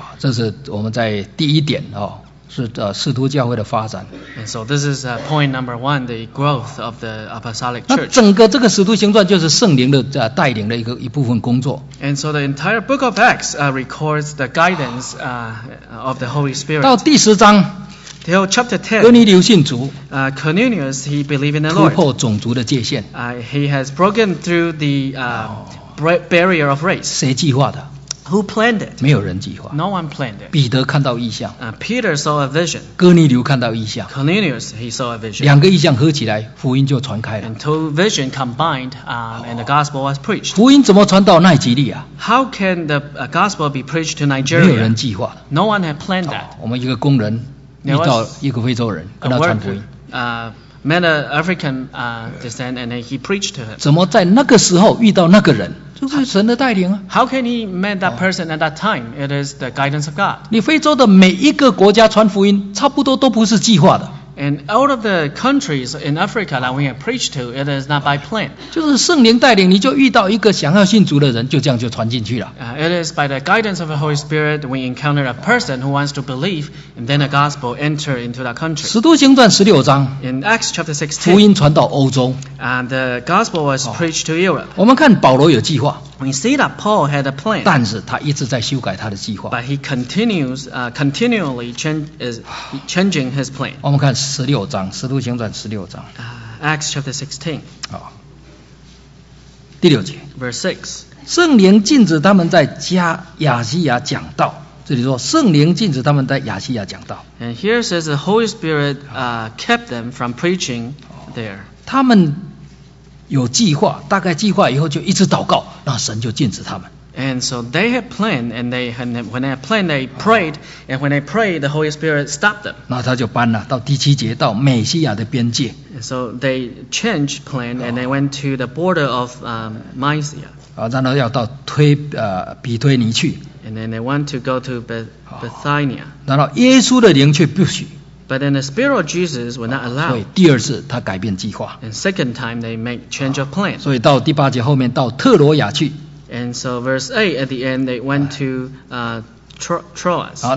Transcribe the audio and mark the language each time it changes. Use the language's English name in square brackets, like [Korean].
[Chinese] 这是我们在第一点是使徒教会的发展。 [English] And so this is point number one, the growth of the apostolic church. [Chinese] 那整个这个使徒行传就是圣灵的带领的一部分工作。 [English] And so the entire book of Acts records the guidance of the Holy Spirit. [Chinese] 到第十章。 [English] Till chapter 10, [Chinese] Cornelius, 信主, [English] Cornelius, he believed in the Lord. [Chinese] 突破种族的界限, [English] he has broken through the barrier of race. [Chinese] 谁计划的? [English] Who planned it? [Chinese] 没有人计划, [English] no one planned it. [Chinese] 彼得看到异象, [English] Peter saw a vision. [Chinese] 哥尼流看到异象, [English] Cornelius, he saw a vision. [Chinese] 两个异象合起来, 福音就传开了。 [English] And two visions combined, and the gospel was preached. [Chinese] 福音怎么传到奈及利亚? [English] How can the gospel be preached to Nigeria? [Chinese] 没有人计划的, [English] no one had planned that. [Chinese] 我们一个工人遇到一个非洲人跟他传福音 [English] met an African descent and he preached to him [Chinese] 怎么在那个时候遇到那个人就是神的带领啊 [English] How can he met that person at that time? It is the guidance of God [Chinese] 你非洲的每一个国家传福音差不多都不是计划的 [English] And all of the countries in Africa that we have preached to it is not by plan [Chinese] 就是圣灵带领你就遇到一个想要信主的人就这样就传进去了 [English] It is by the guidance of the Holy Spirit we encounter a person who wants to believeAnd then the gospel entered into that country. [Chinese] 使徒行传十六章 [English] In Acts chapter 16, [Chinese] 福音传到欧洲 [English] And the gospel was preached to Europe. [Chinese] 我们看保罗有计划 [English] We see that Paul had a plan. [Chinese] 但是他一直在修改他的计划 [English] But he continues, continually changing his plan. [Chinese] 我们看十六章使徒行传十六章 [English] Acts chapter 16. [Chinese] 第六节 [English] Verse 6. [Chinese] 圣灵禁止他们在加亚细亚讲道这里说圣灵禁止他们在亚细亚讲道 [English] And here says the Holy Spirit kept them from preaching there [Chinese] 他们有计划大概计划以后就一直祷告那神就禁止他们 [English] And so they had planned and they had, when they had planned they prayed and when they prayed the Holy Spirit stopped them [Chinese] 那他就搬了到第七节到美西亚的边界 [English] and So they changed plan and they went to the border of Mysia [Chinese] 然后要到推比推尼去 [English] And then they want to go to Bethania. [Chinese] 然后耶稣的灵却不许。 [English] But then the spirit of Jesus will not allow. [Chinese] 所以第二次他改变计划。 [English] And second time they make change of plan. [Chinese] 所以到第八节后面到特罗亚去。 [English] And so verse 8 at the end they went to Troas.